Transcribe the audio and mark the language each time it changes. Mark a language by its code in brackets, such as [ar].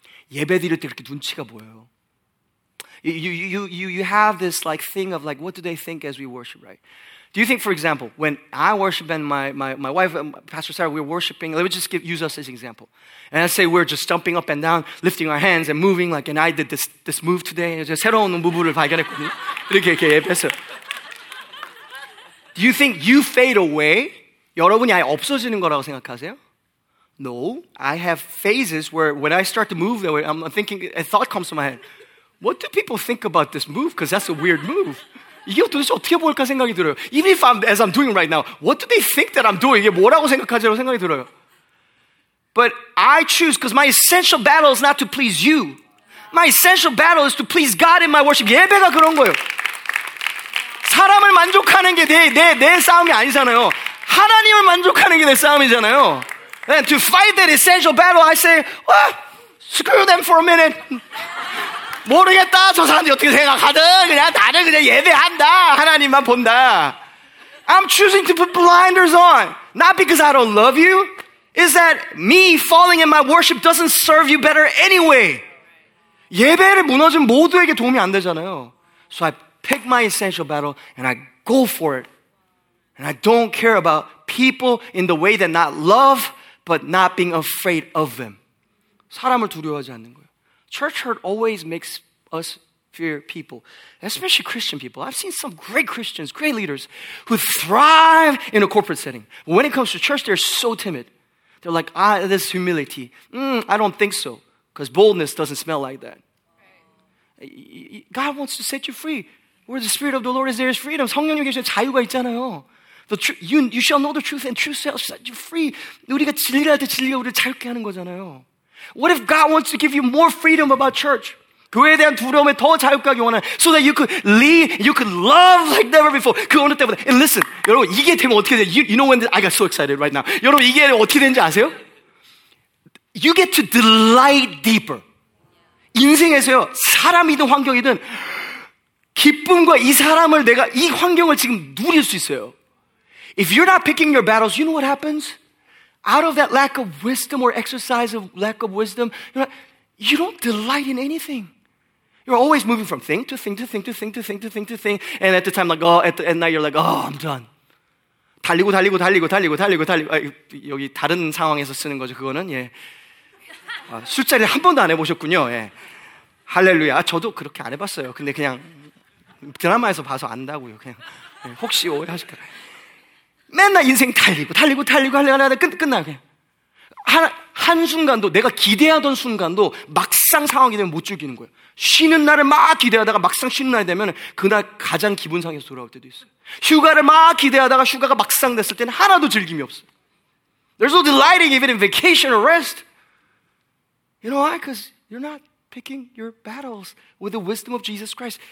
[ko] 예배 드릴 때 그렇게 눈치가 보여요. [en] You have this like thing of like, what do they think as we worship, right? Do you think, for example, when I worship and my wife, Pastor Sarah, we're worshiping, let me just use us as an example. And I say we're just jumping up and down, lifting our hands and moving like, and I did this move today. [ko] 새로운 무브를 발견했거든요. 이렇게 이렇게 예배했어요. [en] Do you think you fade away? [ko] 여러분이 아예 없어지는 거라고 생각하세요? [en] No, I have phases where when I start to move, I'm thinking, a thought comes to my head. What do people think about this move? Because that's a weird move. [ko] 이게 도대체 어떻게 보일까 생각이 들어요. [en] Even if as I'm doing right now, what do they think that I'm doing? [ko] 이게 뭐라고 생각하지라고 생각이 들어요. [en] But I choose, because my essential battle is not to please you. My essential battle is to please God in my worship. [ko] 예배가 그런 거예요. 사람을 만족하는 게 내 싸움이 아니잖아요. 하나님을 만족하는 게 내 싸움이잖아요. [en] And to fight that essential battle, I say, well, screw them for a minute. [ko] 모르겠다. 저 사람들이 어떻게 생각하든 그냥 나는 그냥 예배한다. 하나님만 본다. [en] I'm choosing to put blinders on. Not because I don't love you. It's that me falling in my worship doesn't serve you better anyway. [ko] 예배를 무너진 모두에게 도움이 안 되잖아요. [en] So I pick my essential battle and I go for it. And I don't care about people in the way that not love but not being afraid of them. [ko] 사람을 두려워하지 않는 거예요. [en] Church hurt always makes us fear people, especially Christian people. I've seen some great Christians, great leaders who thrive in a corporate setting. When it comes to church, they're so timid. They're like, this humility. I don't think so, because boldness doesn't smell like that. God wants to set you free. Where the Spirit of the Lord is, there is freedom. [ko] 성령님 계신 자유가 있잖아요. [en] You shall know the truth and truth shall set you free. [ko] 우리가 진리를 할 때 진리가 우리를 자유케 하는 거잖아요. [en] What if God wants to give you more freedom about church? [ko] 교회에 대한 두려움에 더 자유케 하기 원하는 [en] so that you could lead, you could love like never before. [ko] 그 어느 때보다. [en] And listen, [ko] 여러분 이게 되면 어떻게 돼요? [en] You know when I got so excited right now. [ko] 여러분 이게 어떻게 되는지 아세요? [en] You get to delight deeper. [ko] 인생에서요, 사람이든 환경이든 기쁨과 이 사람을 내가 이 환경을 지금 누릴 수 있어요. [en] If you're not picking your battles, you know what happens? Out of that lack of wisdom or exercise of lack of wisdom, you don't delight in anything. You're always moving from thing to thing to thing to thing to thing to thing to thing. And at the time, like, oh, at night, you're like, oh, I'm done. [ko] 달리고 달리고 달리고 달리고 달리고 달리고 여기 다른 상황에서 쓰는 거죠, 그거는. 예. 술자리를 한 번도 안 해보셨군요. 예. 할렐루야. 저도 그렇게 안 해봤어요. 근데 그냥 드라마에서 봐서 안다고요. 그냥 혹시 오해하실까. 맨날 인생 달리고 달리고 달리고 달리고 달리고 끝나요. 그냥. 한 순간도 내가 기대하던 순간도 막상 상황이 되면 못 즐기는 거예요. 쉬는 날을 막 기대하다가 막상 쉬는 날이 되면 그날 가장 기분 상해서 돌아올 때도 있어요. 휴가를 막 기대하다가 휴가가 막상 됐을 때는 하나도 즐김이 없어요. [en] There's no delighting even in vacation or rest. You know why? Because you're not picking your battles with the wisdom of Jesus Christ.